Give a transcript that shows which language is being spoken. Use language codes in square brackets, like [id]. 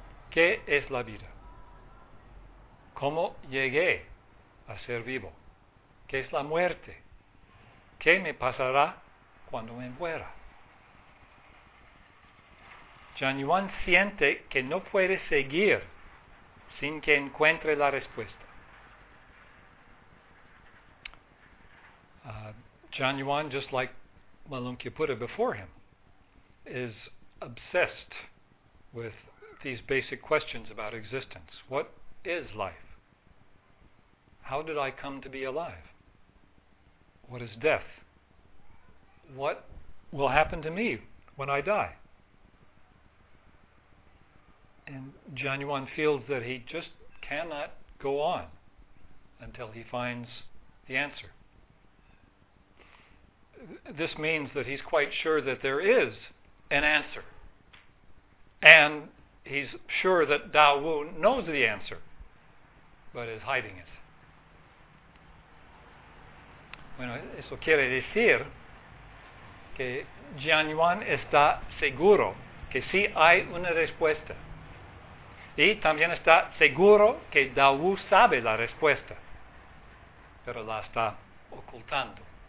[es] ¿Qué es la vida? ¿Cómo llegué a ser vivo? ¿Qué es la muerte? ¿Qué me pasará cuando me muera? Jnaniwan siente que no puede seguir sin que encuentre la respuesta. [en] Jnaniwan, just like Malunkyaputta before him, is obsessed with these basic questions about existence. What is life? How did I come to be alive? What is death? What will happen to me when I die? And Jnaniwan feels that he just cannot go on until he finds the answer. This means that he's quite sure that there is an answer, and he's sure that Dao Wu knows the answer, but is hiding it. [es] Bueno, eso quiere decir que Jianyuan está seguro que sí hay una respuesta. Y también está seguro que Dawu sabe la respuesta, pero la está ocultando.